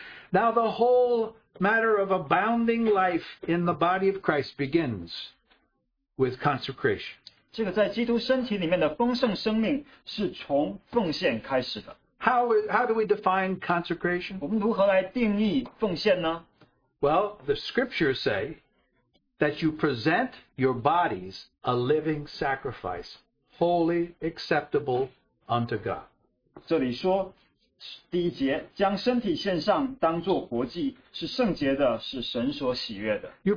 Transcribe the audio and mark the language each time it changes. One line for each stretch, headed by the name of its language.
English: Now the whole matter of abounding life in the body of Christ begins with consecration.
Chinese: 这个在基督身体里面的丰盛生命是从奉献开始的。
English: How do we define consecration?
Chinese: 我们如何来定义奉献呢?
English: Well, the scriptures say that you present your bodies a living sacrifice, holy, acceptable unto God.
Chinese: 这里说,第一节,将身体献上当作活祭,是圣洁的,是神所喜悦的。
English: You